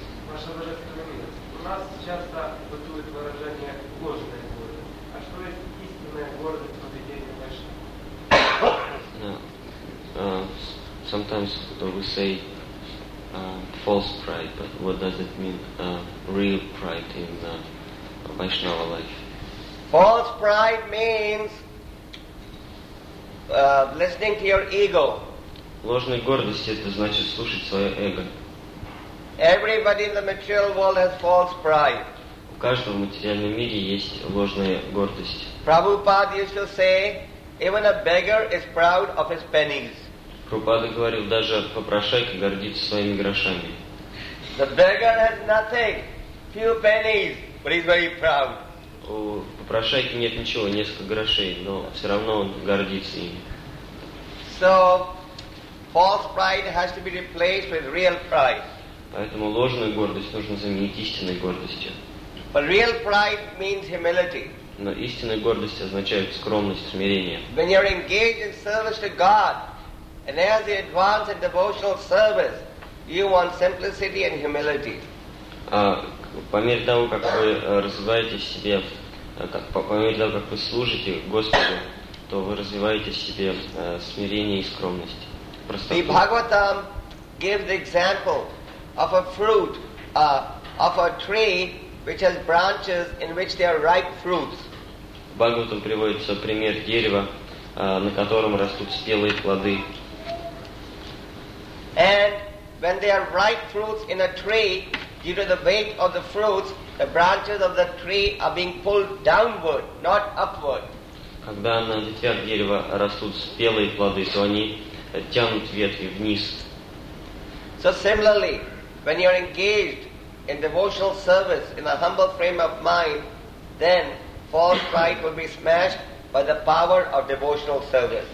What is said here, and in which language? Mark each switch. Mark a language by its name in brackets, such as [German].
[Russian] Ваша Божественная, у нас часто бытует выражение «гордость». А что есть истинная гордость в поведении Вайшнава? [English] Sometimes we say false pride, but what does it mean? Real pride in Vaishnava life. False pride means listening to your ego. [Russian] Ложная гордость — это значит слушать свое эго. [English] Everybody in the material world has false pride. [Russian] У каждого в материальном мире есть ложная гордость. [English] Prabhupada used to say, even a beggar is proud of his pennies. [Russian] Прабхупада говорил, даже попрошайка гордится своими грошами. [English] The beggar has nothing, few pennies, but he's very proud. [Russian] У попрошайки нет ничего, несколько грошей, но все равно он гордится ими. [English] So, false pride has to be replaced with real pride. [Russian] Поэтому ложную гордость нужно заменить истинной гордостью. [English] But real pride means humility. [Russian] Но истинная гордость означает скромность, смирение. [English] When you're engaged in service to God, and as you advance in devotional service, you want simplicity and humility. [Russian] По мере того, как вы развиваете в себе, по мере того, как вы служите Господу, то вы развиваете в себе смирение и скромность. Просто. [English] The Bhagavatam gives the example of a fruit, of a tree which has branches in which there are ripe fruits. [Russian] Бхагаватам приводится пример дерева, на котором растут спелые плоды. [English] And when there are ripe fruits in a tree, due to the weight of the fruits, the branches of the tree are being pulled downward, not upward. [Russian] Когда на ветвях дерева растут спелые плоды, то они тянут ветви вниз. [English] So similarly, when you are engaged in devotional service in a humble frame of mind, then false pride will be smashed by the power of devotional service.